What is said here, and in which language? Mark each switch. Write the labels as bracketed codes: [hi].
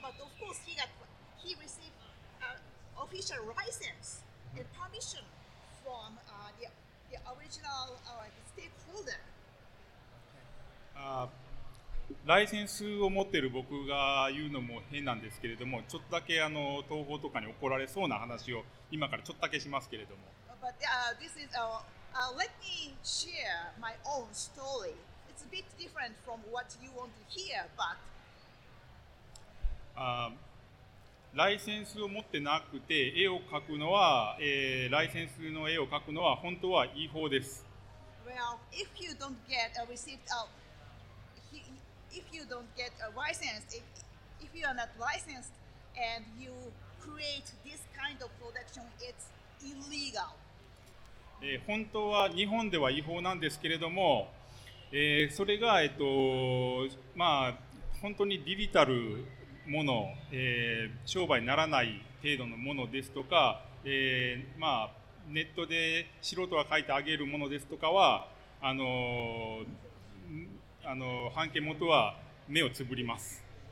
[en] But of course, he received official license and permission from the original stakeholder. [ja] ライセンスを持っている僕が言うのも変なんですけれども、ちょっとだけ東宝とかに怒られそうな話を今からちょっとだけしますけれども。 [en] But this is let me share my own story. It's a bit different from what you want to hear, but [ja] ライセンスを持ってなくて絵を描くのは、ライセンスの絵を描くのは本当は違法です。 [en] Well, if you don't get a receipt outIf you don't get a license, if you are not licensed and you create this kind of production, it's illegal. [ja] 本当は日本では違法なんですけれども、それが、まあ、本当にデジタルもの、商売にならない程度のものですとか、まあ、ネットで素人が書いてあげるものですとかは、半径元は目をつぶります。